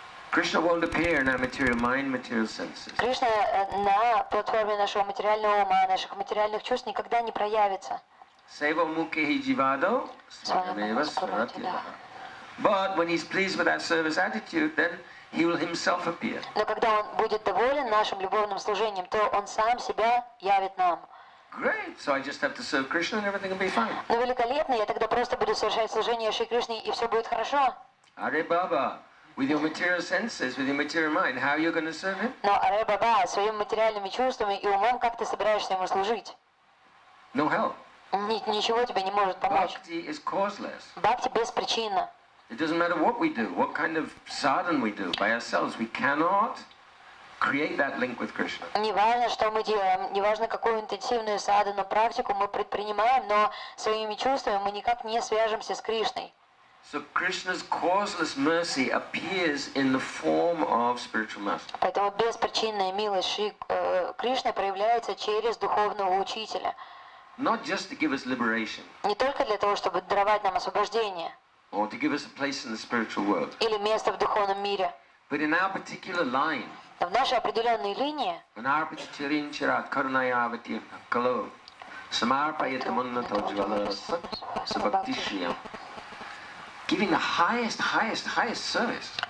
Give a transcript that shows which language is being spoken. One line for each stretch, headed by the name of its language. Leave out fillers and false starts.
English: Krishna won't appear in our material mind, material senses.
Russian: Кришна на платформе нашего материального ума, наших материальных чувств никогда не проявится.
Sanskrit: Сева мукхи дживадо, свагамева сваратьяха.
English: But when he's pleased with our service attitude, then he will himself appear.
Russian: Но когда он будет доволен нашим любовным служением, то он сам себя явит нам.
English: Great. So I just have to serve Krishna and everything will be fine.
Russian: Но великолепно, я тогда просто буду совершать служение Шри Кришне и все будет хорошо.
English: Аре Баба, with your material senses, with your material mind, how are you going to serve him?
Russian: Но Аре Баба, своими материальными чувствами и умом, как ты собираешься ему служить?
English: No help.
Russian: Ничего тебе не может помочь.
English: Bhakti is causeless.
Russian: Бхакти беспричинна.
English: It doesn't matter what we do, what kind of sadhana we do by ourselves, we cannot create that link with Krishna.
Russian: Не важно, что мы делаем, не важно, какую интенсивную садхану практику мы предпринимаем, но своими чувствами мы никак не свяжемся с Кришной.
English: So Krishna's causeless mercy appears in the form of spiritual master.
Russian: Поэтому беспричинная милость Шри Кришны проявляется через духовного учителя.
English: Not just to give us liberation.
Russian: Не только для того, чтобы даровать нам освобождение.
English: Or to give us a place in the spiritual world.
Russian: Или место в духовном мире.
English: But in our particular line.
Russian: В нашей определенной линии.
English: In our particular
Sanskrit: inchara karnayavati kalo samarpayatamunnatojvalas sabaktishyam.
English: Giving the highest service.